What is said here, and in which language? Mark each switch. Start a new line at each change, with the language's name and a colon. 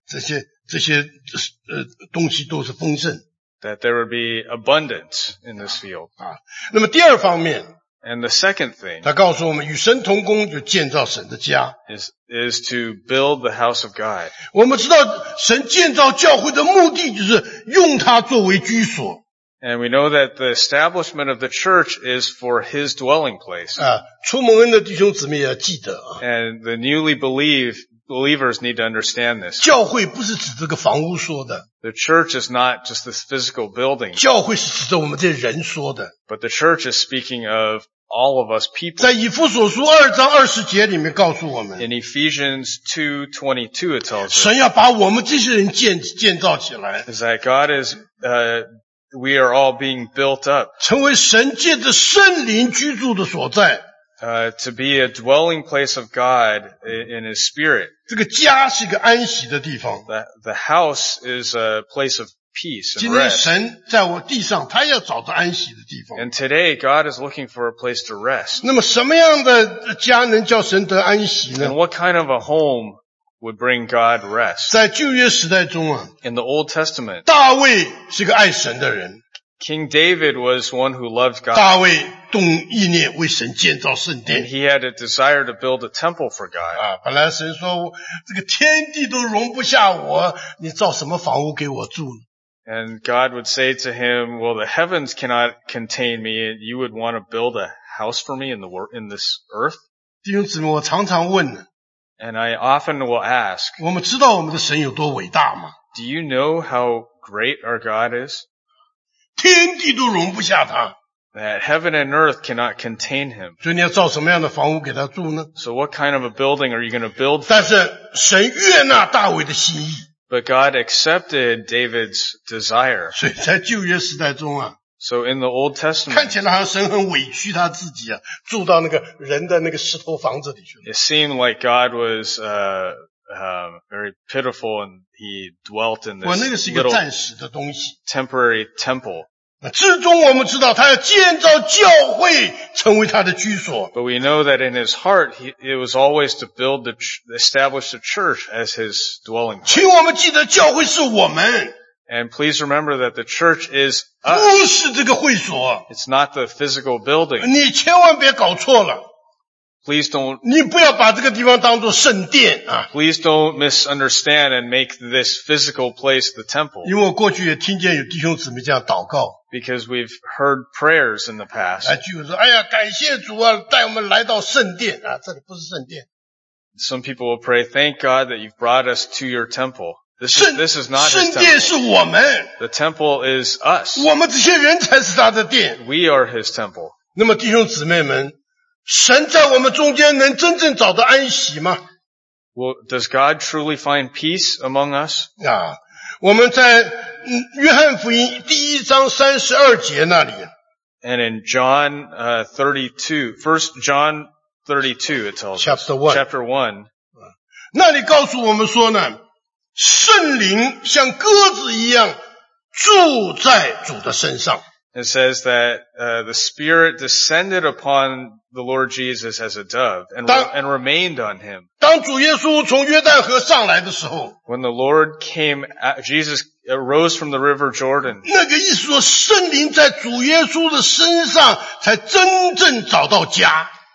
Chinese: 五谷丰收啊，各样的这些东西都是丰盛。
English: That there would be abundance in this field.
Chinese: 那么第二方面。
English: And the second thing.
Chinese: 他告诉我们，与神同工就建造神的家。
English: Is to build the house of God.
Chinese: 我们知道神建造教会的目的就是用它作为居所。
English: And we know that the establishment of the church is for his dwelling place.
Chinese: 出蒙恩的弟兄姊妹要记得啊,
English: and the newly believers need to understand this.
Chinese: 教会不是指这个房屋说的,
English: the church is not just this physical building.
Chinese: 教会是指着我们这人说的,
English: but the church is speaking of all of us people.
Chinese: 在以弗所书2章20节里面告诉我们,
English: in Ephesians 2:22 it tells us.
Chinese: 神要把我们这些人建造起来,
English: is that God is we are all being built up.
Chinese: 成为神界的圣灵居住的所在。
English: To be a dwelling place of God in his spirit.
Chinese: 这个家是一个安息的地方。
English: The house is a place of peace and rest.
Chinese: 今天神在我地上, 他要找到安息的地方。
English: And today God is looking for a place to rest.
Chinese: 那么什么样的家能叫神得安息呢?
English: And what kind of a home would bring God rest.
Chinese: 在旧约时代中啊,
English: in the Old Testament,
Chinese: 大卫是个爱神的人,
English: King David was one who loved God.
Chinese: 大卫动意念为神建造圣殿,
English: and he had a desire to build a temple for God.
Chinese: 本来神说这个天地都容不下我, 你造什么房屋给我住呢?
English: And God would say to him, well, the heavens cannot contain me, and you would want to build a house for me in this earth?
Chinese: 弟兄姊妹，我常常问,
English: and I often will ask,
Chinese: 我们知道我们的神有多伟大吗?
English: Do you know how great our God is?
Chinese: 天地都容不下他。
English: That heaven and earth cannot contain him.
Chinese: 所以你要造什么样的房屋给他住呢?
English: So what kind of a building are you going to build for?
Chinese: 但是神悦纳大卫的心意。
English: But God accepted David's desire.
Chinese: 所以在旧约时代中啊,
English: so in the Old Testament,
Chinese: 看起来好像神很委屈他自己啊, 住到那个人的那个石头房子里去了。
English: It seemed like God was very pitiful and he dwelt in this little temporary temple.
Chinese: 至终我们知道他要建造教会成为他的居所。
English: But we know that in his heart, it was always to build establish the church as his dwelling place.
Chinese: 请我们记得教会是我们。
English: And please remember that the church is us. It's not the physical building.
Chinese: 你千万别搞错了。
English: Please don't.
Chinese: 你不要把这个地方当作圣殿啊。
English: Please don't misunderstand and make this physical place the temple.
Chinese: 因为我过去也听见有弟兄姊妹这样祷告。
English: Because we've heard prayers in the past.
Chinese: 就说哎呀感谢主啊带我们来到圣殿啊这里不是圣殿。
English: Some people will pray, thank God that you've brought us to your temple. This is not his temple.
Chinese: 圣殿是我们。
English: The temple is us.
Chinese: 我们这些人才是他的殿。
English: We are his temple.
Chinese: 那么弟兄姊妹们神在我们中间能真正找到安息吗
English: Well, does God truly find peace among us?
Chinese: 啊我们在约翰福音第一章三十二节那里。
English: And in John 32, it tells us. Chapter 1.
Chinese: 那里告诉我们说呢圣灵像鸽子一样住在主的身上。
English: It says that, the Spirit descended upon the Lord Jesus as a dove and remained on him.
Chinese: 当主耶稣从约旦河上来的时候
English: When the Lord came, Jesus arose from the river Jordan.
Chinese: 那个意思说圣灵在主耶稣的身上才真正找到家。